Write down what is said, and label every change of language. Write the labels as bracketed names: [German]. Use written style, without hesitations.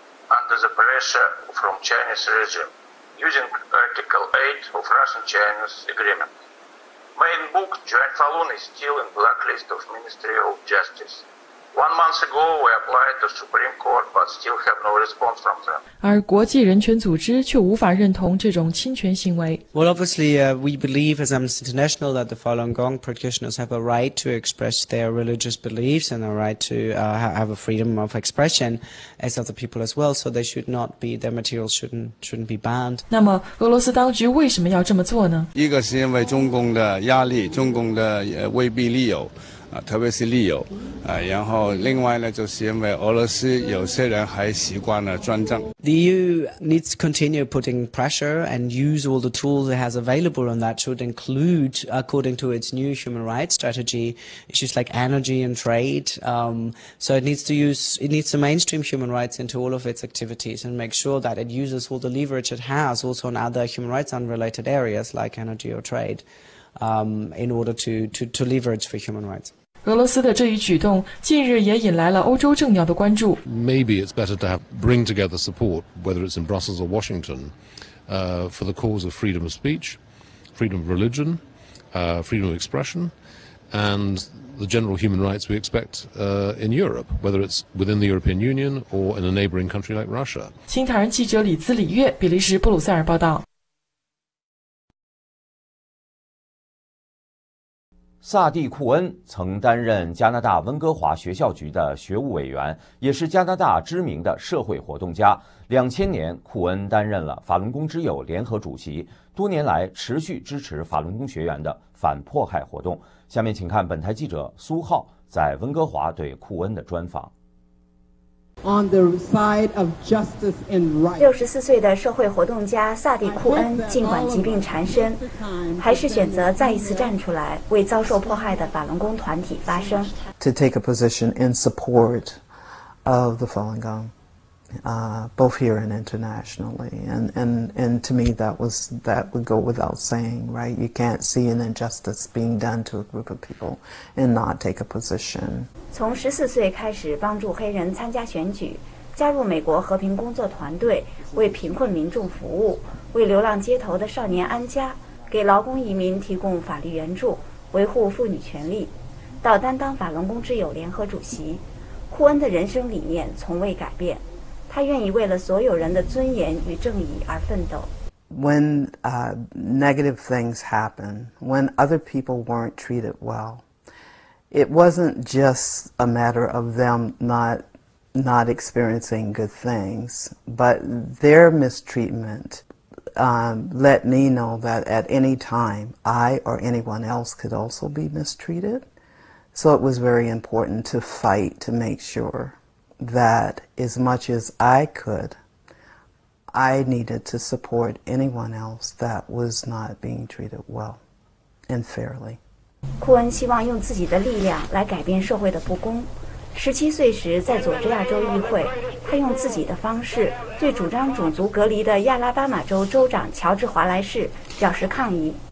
[English] Under the pressure from Chinese regime, using Article 8 of Russian-Chinese Agreement. Main book, Joan Falun, is still in blacklist of Ministry of Justice. 1 month ago, we applied to Supreme Court, but still have no response from them. [Chinese] 而国际人权组织却无法认同这种侵权行为。 [English] Well, obviously, we believe as Amnesty International that the Falun Gong practitioners have a right to express their religious beliefs and a right to have a freedom of expression as other people as well. So they should not be, their materials shouldn't be banned. [Chinese] 那么俄罗斯当局为什么要这么做呢？一个是因为中共的压力，中共的威逼利诱。特别是旅游，然后另外呢，就是因为俄罗斯有些人还习惯了转账。 [English] The EU needs to continue putting pressure and use all the tools it has available, and that should include, according to its new human rights strategy, issues like energy and trade. So it needs to mainstream human rights into all of its activities and make sure that it uses all the leverage it has also on other human rights unrelated areas like energy or trade, in order to leverage for human rights. [Chinese] 俄罗斯的这一举动近日也引来了欧洲政要的关注。 [English] Maybe it's better to bring together support, whether it's in Brussels or Washington, for the cause of freedom of speech, freedom of religion, freedom of expression, and the general human rights we expect in Europe, whether it's within the European Union or in a neighboring country like Russia. [Chinese] 新唐人记者李兹李月，比利时布鲁塞尔报道。萨蒂库恩曾担任加拿大温哥华学校局的学务委员，也是加拿大知名的社会活动家。 2000年，库恩担任了法轮功之友联合主席，多年来持续支持法轮功学员的反迫害活动。下面请看本台记者苏浩在温哥华对库恩的专访。 [English] On the side of justice and right. [Chinese] 64岁的社会活动家萨蒂库恩尽管疾病缠身，还是选择再一次站出来为遭受迫害的法轮功团体发声。 [English] To take a position in support of the Falun Gong, both here and internationally, and to me that would go without saying, right? You can't see an injustice being done to a group of people and not take a position. [Chinese] 从14岁开始帮助黑人参加选举，加入美国和平工作团队，为贫困民众服务，为流浪街头的少年安家，给劳工移民提供法律援助，维护妇女权利，到担当法轮功之友联合主席。库恩的人生理念从未改变，他愿意为了所有人的尊严与正义而奋斗。 [English] When negative things happen, when other people weren't treated well,It wasn't just a matter of them not experiencing good things, but their mistreatment let me know that at any time, I or anyone else could also be mistreated. So it was very important to fight to make sure that as much as I could, I needed to support anyone else that was not being treated well and fairly. [Chinese] 库恩希望用自己的力量来改变社会的不公。 17岁时在佐治亚州议会，他用自己的方式对主张种族隔离的亚拉巴马州州长乔治·华莱士表示抗议。